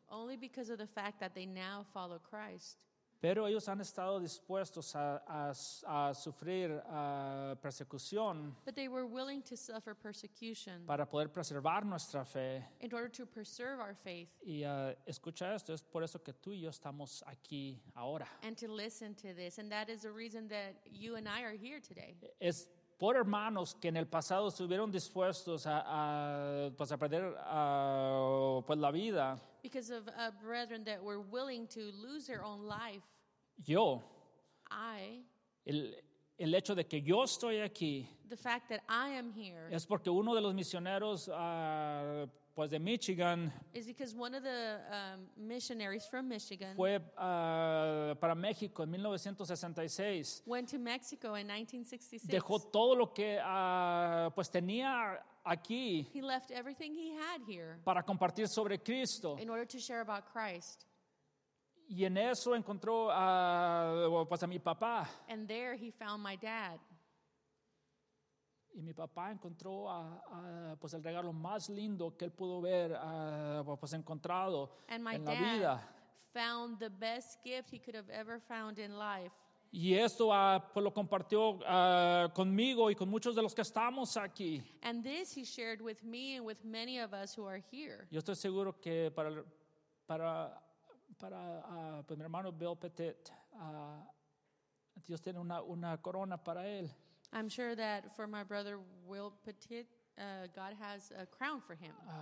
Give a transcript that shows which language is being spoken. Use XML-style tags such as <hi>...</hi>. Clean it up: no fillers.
<en>Only because of the fact that they now follow Christ.</en> <es>Pero ellos han estado dispuestos a sufrir persecución.</es> <en>But they were willing to suffer persecution.</en> <es>Para poder preservar nuestra fe.</es> <en>In order to preserve our faith.</en> <es>Y escucha esto, es por eso que tú y yo estamos aquí ahora.</es> <en>And to listen to this, and that is the reason that you and I are here today.</en> <es>Es por hermanos que en el pasado estuvieron dispuestos a perder pues la vida.</es> <en>Because of brethren that were willing to lose their own life.</en> <es>Yo.</es> <en>I.</en> <es>El hecho de que yo estoy aquí.</es> <en>The fact that I am here.</en> <es>Es porque uno de los misioneros pues de Michigan.</es> <en>Is because one of the missionaries from Michigan.</en> <es>Fue para México en 1966.</es> <en>Went to Mexico in 1966.</en> <es>Dejó todo lo que pues tenía aquí.</es> <en>He left everything he had here.</en> <es>Para compartir sobre Cristo.</es> <en>In order to share about Christ.</en> <es>Y en eso encontró pues a mi papá.</es> <en>And there he found my dad.</en> <es>Y mi papá encontró pues el regalo más lindo que él pudo ver pues encontrado en la vida.</es> <en>And my dad found the best gift he could have ever found in life.</en> <es>Y esto pues lo compartió conmigo y con muchos de los que estamos aquí.</es> <en>And this he shared with me and with many of us who are here.</en> <es>Yo estoy seguro que para pues mi hermano Bill Petit, Dios tiene una corona para él.</es> <en>I'm sure that for my brother Will Petit, God has a crown for him.</en>